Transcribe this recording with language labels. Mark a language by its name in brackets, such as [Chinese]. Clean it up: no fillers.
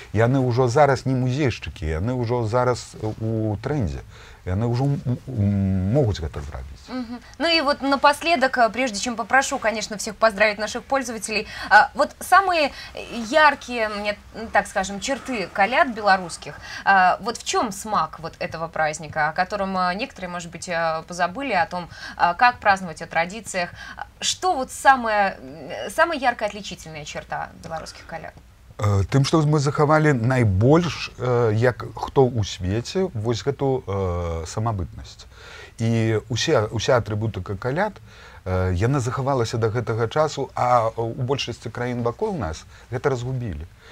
[Belarusian] Яны ўжо зараз не музейшчыкі, яны ўжо зараз у трэндзе. Яны ўжо могуць гэта зрабіць. [Russian] Ну і вот напоследок, прежде чым попрошу, конечно, всех поздравить наших пользователей, вот самые яркие, мне так скажем, черты [Belarusian] каляд беларускіх. [Russian] Вот в чём смак вот этого праздника, о котором некоторые, может быть, позабыли о том, как праздновать, о традициях. Что вот самая яркая отличительная черта [Belarusian] беларускіх каляд? Тым, што мы захавалі найбольш, як хто ў свеце, вось гэту самабытнасць. І ўся атрыбутыка каляд, яна захавалася да гэтага часу, а ў большасці краін вакол нас гэта разгубілі.